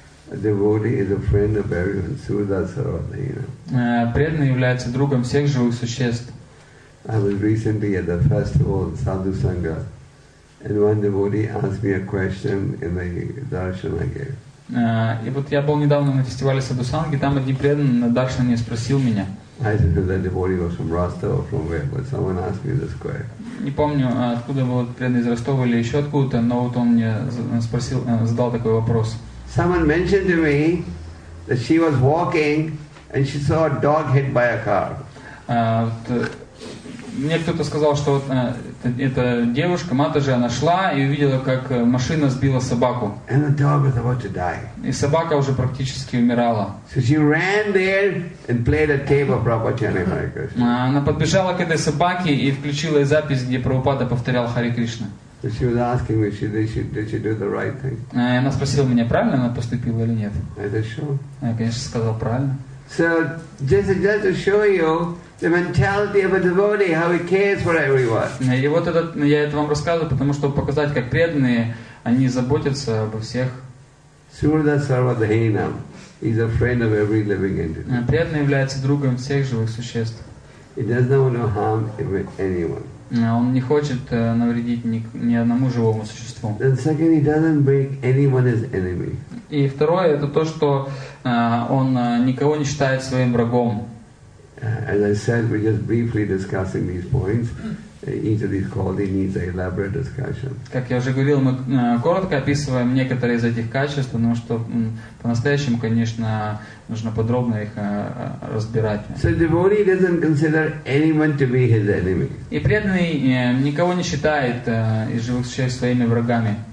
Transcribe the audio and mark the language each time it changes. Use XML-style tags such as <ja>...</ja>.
<en>A devotee is a friend of everyone, Sudasarvada, you know.</en> <ru>Преданный является другом всех живых существ.</ru> <en>I was recently at the festival in Sadhu Sangha, and one devotee asked me a question in the darshan I gave.</en> <ru>И вот я был недавно на фестивале Саду Санги, там один преданный на даршане спросил меня.</ru> <en>I said that devotee was from Rostov or from where, but someone asked me this question.</en> <ru>Не помню, откуда был преданный, из Ростова или еще откуда-то, но вот он мне спросил, задал такой вопрос.</ru> <en>Someone mentioned to me that she was walking and she saw a dog hit by a car.</en> <ru>Мне кто-то сказал, что вот эта девушка, матаджи, она шла и увидела, как машина сбила собаку.</ru> <en>And the dog was about to die.</en> <ru>И собака уже практически умирала.</ru> <en>So she ran there and played a tape of Prabhupada chanting Hare Krishna.</en> <ru>Она подбежала к этой собаке и включила запись, где Прабхупада повторял Харе Кришна.</ru> <en>So she was asking me, did she do the right thing?</en> <ru>Она спросила меня, правильно она поступила или нет.</ru> <en>I said, sure.</en> <ru>Я, конечно, сказал, правильно.</ru> <en>So just to show you the mentality of a devotee, how he cares for everyone.</en> <ru>И вот этот, я это вам рассказываю, потому чтобы показать, как преданные, они заботятся обо всех.</ru> <en>Surda Sarvadhainam is a friend of every living entity.</en> <ru>Преданный является другом всех живых существ.</ru> <en>He does not want to harm anyone.</en> <ru>Он не хочет навредить ни одному живому существу.</ru> <en>And second, he doesn't make anyone his enemy.</en> <ru>И второе, это то, что он никого не считает своим врагом.</ru> <en>As I said, we're just briefly discussing these points. Each of these qualities needs an elaborate discussion.</en> <ru>Как я уже говорил, мы коротко описываем некоторые из этих качеств, но что по-настоящему, конечно, нужно подробно их разбирать.</ru> <en>So devotee doesn't consider anyone to be his enemy.</en> <ru>И преданный никого не считает из живых существ своими врагами.</ru>